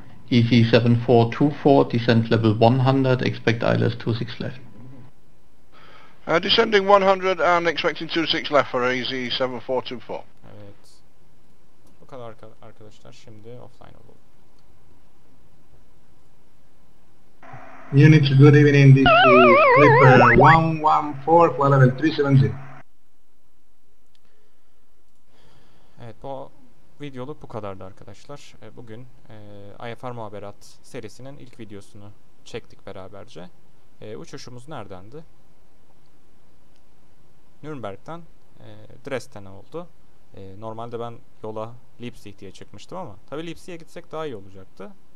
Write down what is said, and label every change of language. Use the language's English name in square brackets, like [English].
[English] EC 7424, descent level 100, expect ILS 26 left. Descending 100 and expecting 26 left for EZ 7424. [Turkish] Evet. Bu kadar arkadaşlar, şimdi offline olalım. [English] Units, good evening, this is Clipper 114, flight level 370. [Turkish] Evet, bu videoluk bu kadardı arkadaşlar. Bugün IFR Muhaberat serisinin ilk videosunu çektik beraberce. Uçuşumuz neredendi? Nürnberg'den Dresden'e oldu. Normalde ben yola Leipzig diye çıkmıştım ama tabi Leipzig'e gitsek daha iyi olacaktı.